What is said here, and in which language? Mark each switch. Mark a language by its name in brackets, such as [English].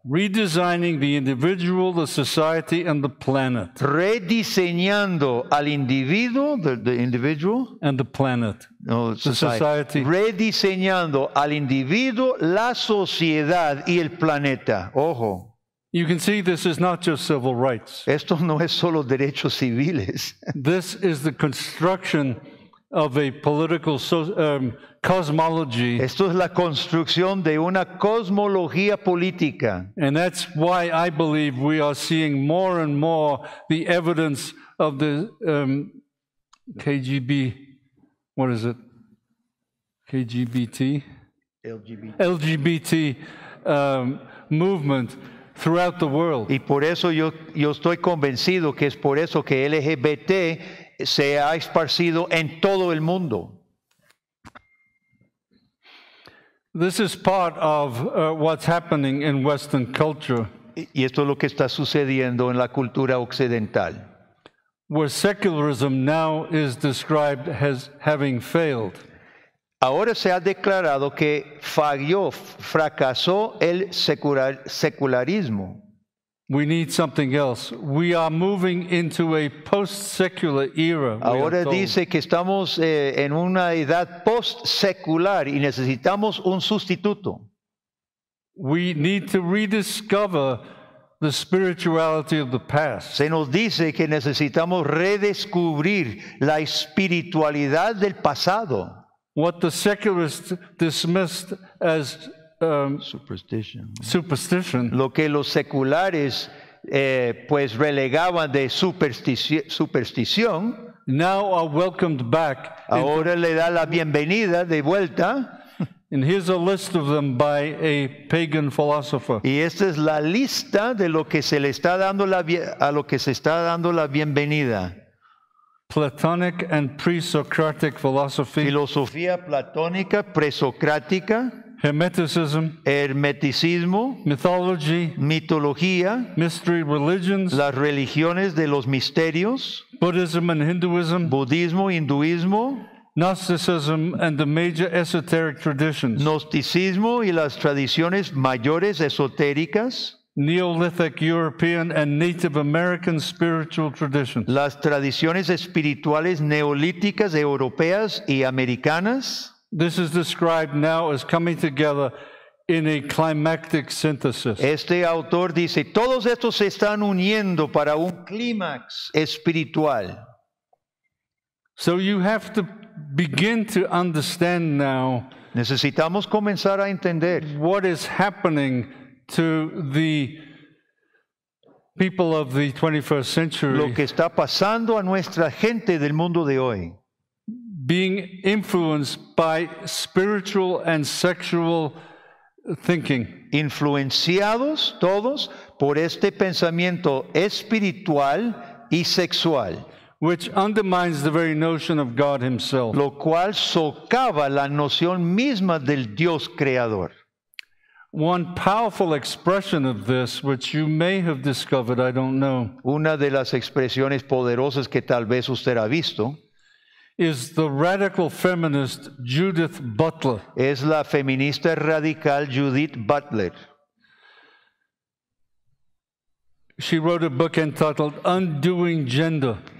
[English] redesigning the individual, the society, and the planet, [Spanish] rediseñando al individuo, [English] the individual, and the planet, [Spanish] no, [English] the society, [Spanish] rediseñando al individuo, la sociedad y el planeta. Ojo. [English] You can see this is not just civil rights. [Spanish] Esto no es solo derechos civiles. [English] This is the construction of a political cosmology. [Spanish] Esto es la construcción de una cosmología política. [English] And that's why I believe we are seeing more and more the evidence of the KGB. What is it? KGBT? LGBT movement. Throughout the world. [Spanish] Y por eso yo estoy convencido que es por eso que LGBT se ha esparcido en todo el mundo. [English] This is part of what's happening in Western culture. [Spanish] Y esto es lo que está sucediendo en la cultura occidental. [English] Where secularism now is described as having failed. [Spanish] Ahora se ha declarado que falló, fracasó el secularismo. [English] We need something else. We are moving into a post-secular era. [Spanish] Ahora dice que estamos en una edad post-secular y necesitamos un sustituto. [English] We need to rediscover the spirituality of the past. [Spanish] Se nos dice que necesitamos redescubrir la espiritualidad del pasado. [English] What the secularists dismissed as superstition. [Spanish] Lo que los seculares pues relegaban de superstición. [English] Now are welcomed back. [Spanish] Ahora le da la bienvenida de vuelta. [English] And here's a list of them by a pagan philosopher. [Spanish] Y esta es la lista de lo que se le está dando la bienvenida. [English] Platonic and pre-Socratic philosophy. [Spanish] Filosofía platónica, presocrática. [English] Hermeticism. [Spanish] Hermeticismo. [English] Mythology. [Spanish] Mitología. [English] Mystery religions. [Spanish] Las religiones de los misterios. [English] Buddhism and Hinduism. [Spanish] Budismo, hinduismo. [English] Gnosticism and the major esoteric traditions. [Spanish] Gnosticismo y las tradiciones mayores esotéricas. [English] Neolithic European and Native American spiritual traditions. [Spanish] Las tradiciones espirituales neolíticas europeas y americanas. [English] This is described now as coming together in a climactic synthesis. [Spanish] Este autor dice, todos estos se están uniendo para un clímax espiritual. [English] So you have to begin to understand now. [Spanish] Necesitamos comenzar a entender [English] what is happening to the people of the 21st century. [Spanish] Lo que está pasando a nuestra gente del mundo de hoy. [English] Being influenced by spiritual and sexual thinking. [Spanish] Influenciados todos por este pensamiento espiritual y sexual. [English] Which undermines the very notion of God himself. [Spanish] Lo cual socava la noción misma del Dios creador. [English] One powerful expression of this, which you may have discovered, I don't know. [Spanish] Una de las expresiones poderosas que tal vez usted ha visto. [English] Is the radical feminist Judith Butler. [Spanish] Es la feminista radical Judith Butler. [English] She wrote a book entitled Undoing Gender.